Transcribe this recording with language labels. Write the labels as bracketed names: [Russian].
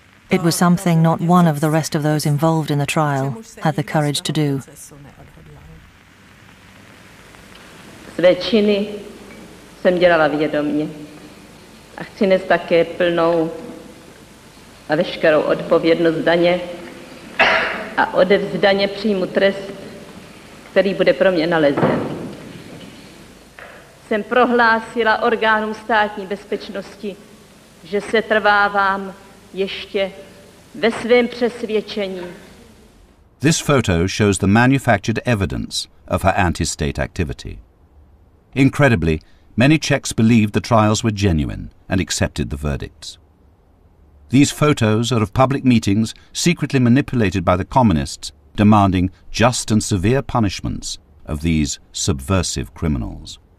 [English] It was something not one of the rest of those involved in the trial had the courage to do. [Czech] Své činy jsem dělala vědomě a chci nést také plnou a veškerou odpovědnost za ně a odevzdaně přijmu trest, který bude pro mě nalezen. Jsem prohlásila orgánům státní bezpečnosti, že se trvávám ještě ve svém přesvědčení. [English] This photo shows the manufactured evidence of her anti-state activity. Incredibly, many Czechs believed the trials were genuine and accepted the verdicts. These photos are of public meetings secretly manipulated by the communists, demanding just and severe punishments of these subversive criminals.